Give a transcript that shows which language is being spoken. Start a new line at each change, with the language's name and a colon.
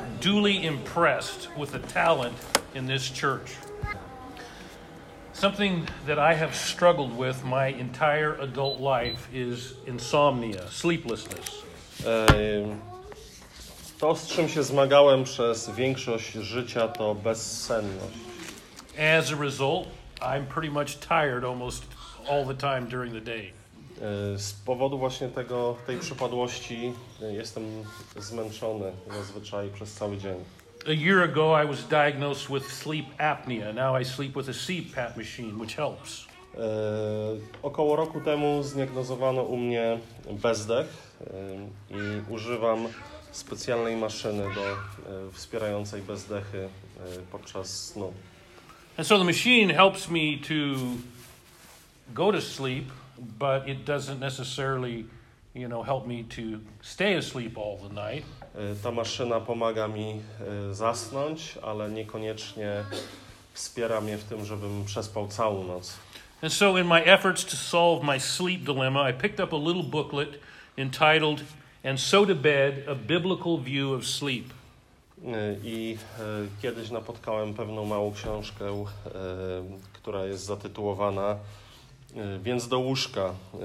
English: duly impressed with a talent in this church. Something that I have struggled with my entire adult life is insomnia, sleeplessness.
Polish: To, z czym się zmagałem przez większość życia, to bezsenność.
English: As a result, I'm pretty much tired almost all the time during the day.
Polish: Z powodu właśnie tego, tej przypadłości, jestem zmęczony zazwyczaj przez cały dzień.
English: A year ago I was diagnosed with sleep apnea. Now I sleep with a CPAP machine, which helps.
Polish: Około roku temu zdiagnozowano u mnie bezdech i używam specjalnej maszyny do wspierającej bezdechy podczas snu.
English: And so the machine helps me to go to sleep, but it doesn't necessarily, you know, help me to stay asleep all the night.
Polish: Ta maszyna pomaga mi zasnąć, ale niekoniecznie wspiera mnie w tym, żebym przespał całą noc.
English: And so in my efforts to solve my sleep dilemma, I picked up a little booklet entitled And So to Bed, A Biblical View of Sleep.
Polish: I kiedyś napotkałem pewną małą książkę, która jest zatytułowana Więc do łóżka.